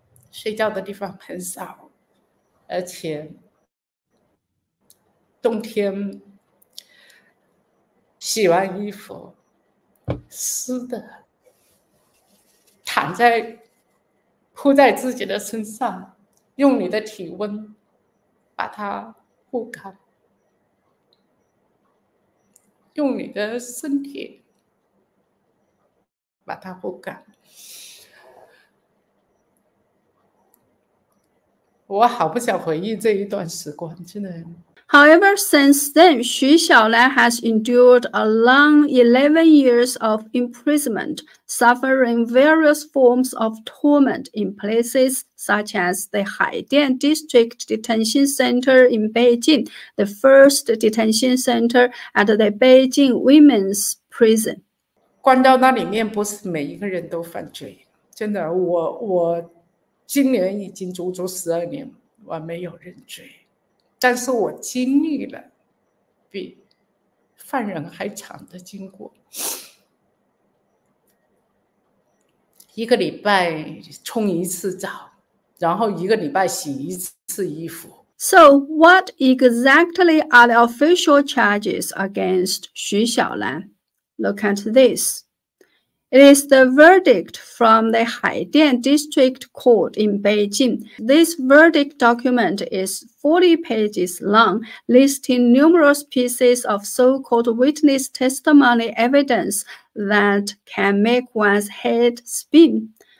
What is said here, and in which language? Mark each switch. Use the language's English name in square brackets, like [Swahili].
[Chinese] 睡觉的地方很少，而且冬天洗完衣服湿的，躺在铺在自己的身上，用你的体温把它护干，用你的身体把它护干。我好不想回忆这一段时光，真的。 [English] However, since then, Xu Xiaolan has endured a long 11 years of imprisonment, suffering various forms of torment in places such as the Haidian District Detention Center in Beijing, the first detention center at the Beijing Women's Prison. [Chinese] 关到那里面不是每一个人都犯罪，真的，我今年已经足足12年我没有认罪，但是我经历了比犯人还长的经过。一个礼拜冲一次澡，然后一个礼拜洗一次衣服。 [English] So what exactly are the official charges against 徐小兰？ Look at this. It is the verdict from the Haidian District Court in Beijing. This verdict document is 40 pages long, listing numerous pieces of so-called witness testimony evidence that can make one's head spin.